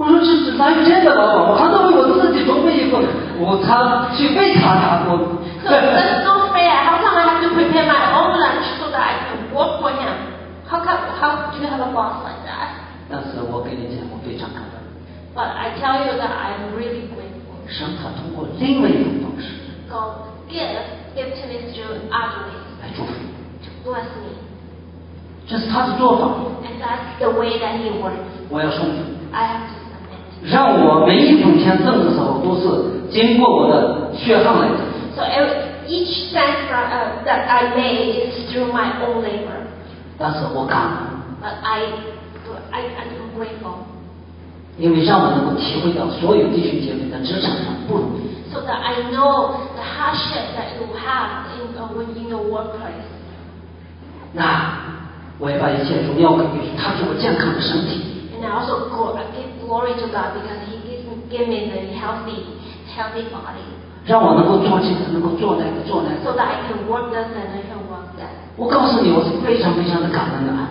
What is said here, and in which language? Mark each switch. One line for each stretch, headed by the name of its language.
Chinese: 我说是哪有这样的老板？我还能为我自己准备一个午餐去为他打工。
English: So that's not fair. How come I have to prepare my own lunch so that I can work for him? How do you have a boss like that?
Chinese: 但是我跟你讲，我非常感恩。
English: But I tell you that I'm really grateful.
Chinese: 神他通过另外一种方式。
English: God give to me through other ways.
Chinese: 来祝福。
English: To bless me.
Chinese: 这是他的做法。
English: And that's the way that he works.
Chinese: 我要送。
English: I have to submit.
Chinese: 让我每一分钱挣的时候都是经过我的血汗来的。
English: So each cent that I made is through my own labor.
Chinese: 但是我干。
English: But I I'm grateful.
Chinese: 因为让我能够体会到所有弟兄姐妹在职场上不容易。
English: So that I know the hardship that you have in within your workplace.
Chinese: 那我也把一切荣耀给主，他给我健康的身体。
English: And I also give glory to God because He gave me the healthy body.
Chinese: 让我能够做这个，能够做那个，做那个。
English: So that I can work this and I can work that.
Chinese: 我告诉你，我是非常非常的感恩的。